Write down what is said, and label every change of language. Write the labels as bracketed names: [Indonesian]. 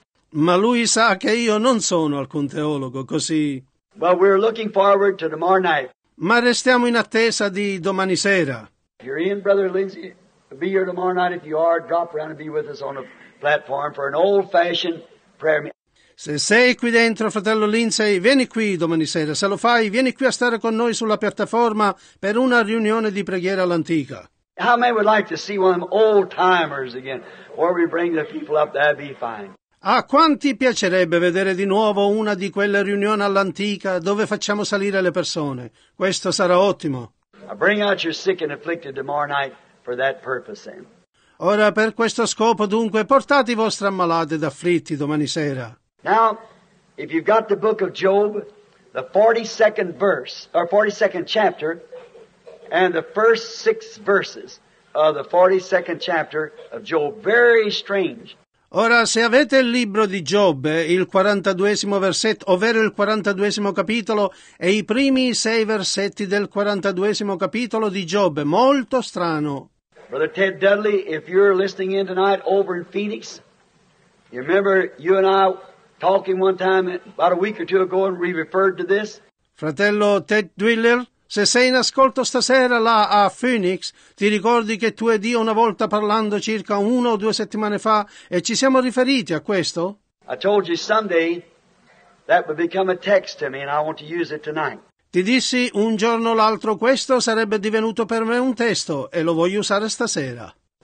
[Italian] Ma lui sa che io non sono alcun teologo, così. [English] Well, we're looking forward to tomorrow night. [Italian] Ma restiamo in attesa di domani sera. [English] You're in, Brother Lindsay. Be here tomorrow night. If you are, drop around and be with us on a platform for an old-fashioned prayer meeting. [Italian] Se sei qui dentro, fratello Lindsay, vieni qui domani sera. Se lo fai, vieni qui a stare con noi sulla piattaforma per una riunione di preghiera all'antica. [English] How many would like to see one of them old-timers again, or we bring the people up, that'd be fine. [Italian] A quanti piacerebbe vedere di nuovo una di quelle riunioni all'antica dove facciamo salire le persone? Questo sarà ottimo. [English] Bring out your sick and afflicted tomorrow night for that purpose then. [Italian] Ora per questo scopo dunque portate i vostri ammalati ed afflitti domani sera. [English] Now, if you've got the book of Job, the 42nd verse, or 42nd chapter, and the first six verses of the 42nd chapter of Job, very strange. [Italian] Ora, se avete il libro di Giobbe, il 42esimo versetto, ovvero il 42esimo capitolo, e i primi sei versetti del 42esimo capitolo di Giobbe, molto strano. [English] Brother Ted Dudley, if you're listening in tonight over in Phoenix, you remember you and I talking one time about a week or two ago and we referred to this? [Italian] Fratello Ted Dudley, se sei in ascolto stasera là a Phoenix, ti ricordi che tu ed io una volta parlando circa una o due settimane fa e ci siamo riferiti a questo? [English] I told you someday that would become a text to me and I want to use it tonight. [Italian] Ti dissi un giorno o l'altro questo sarebbe divenuto per me un testo e lo voglio usare stasera.